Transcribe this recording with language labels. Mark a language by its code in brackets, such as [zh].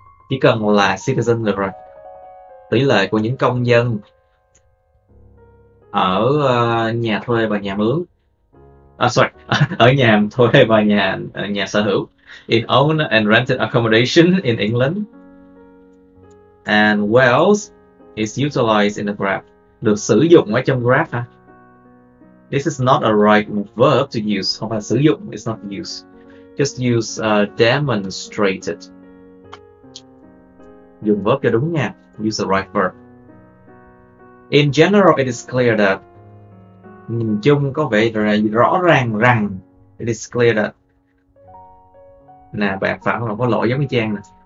[vi] Chỉ cần là citizen được rồi. Tỷ lệ của những công dân ở nhà thuê và nhà mướn, ở nhà thuê và nhà nhà sở hữu, [en] in owned and rented accommodation in England and Wales is utilized in the graph. [vi] Được sử dụng ở trong graph hả? [en] This is not a right verb to use. [vi] Không phải sử dụng, [en] it's not use. Just use demonstrated. [vi] Dùng verb cho đúng nha. [en] Use the right verb. In general, it is clear that [vi] nhìn chung có vẻ rõ ràng rằng [en] it is clear that [vi] nè, bạn phản là có lỗi giống như Trang nè.